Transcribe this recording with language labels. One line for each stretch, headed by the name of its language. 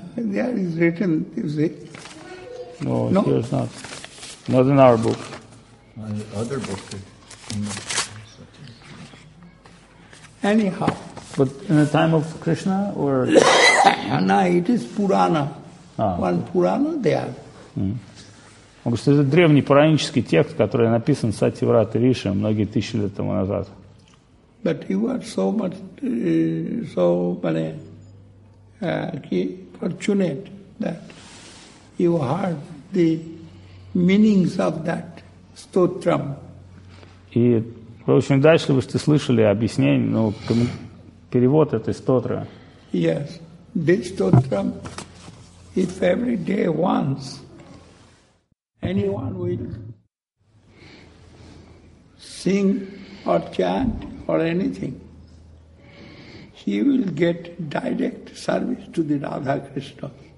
English: There is written, you see. No, no? Here is not. Not in our book. Other book. Anyhow. But in the time of Krishna or? No, it is Purana. One Purana there.
Russian: Он говорит, это древний пуранический текст, который написан Сатьяврата Риши многие тысячи лет тому назад.
English: But you are so much, so many, fortunate that you heard the meanings of that stotram.
Russian: И вы очень удачливо, что слышали объяснение, ну, перевод этой стотры.
English: Yes, this stotram, if every day once, anyone will sing or chant or anything, he will get direct service to the Radha Krishna.